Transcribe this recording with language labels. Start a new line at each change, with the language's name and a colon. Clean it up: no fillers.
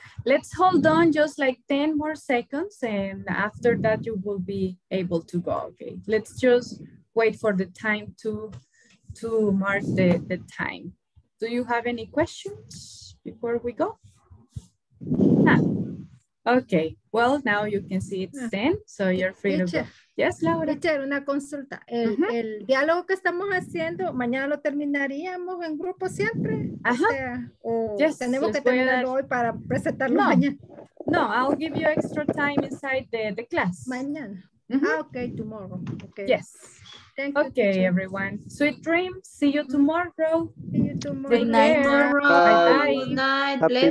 English: Let's hold on just like 10 more seconds, and after that you will be able to go, okay? Let's just wait for the time to mark the time. Do you have any questions before we go? Okay, well, now you can see it's 10, so you're free to go. Yes, Laura.
Spanish: Teacher, una consulta. El diálogo que estamos haciendo, mañana lo terminaríamos en grupo siempre. Ajá. Tenemos que terminarlo hoy para presentarlo mañana.
English: No, I'll give you extra time inside the class.
Spanish: Mañana.
English: Mm-hmm. Okay, tomorrow. Okay. Yes. Thank you. Okay, teacher. Everyone. Sweet dreams. See you tomorrow. See you tomorrow. Good night. Tomorrow. Bye. Bye. Good night. Happy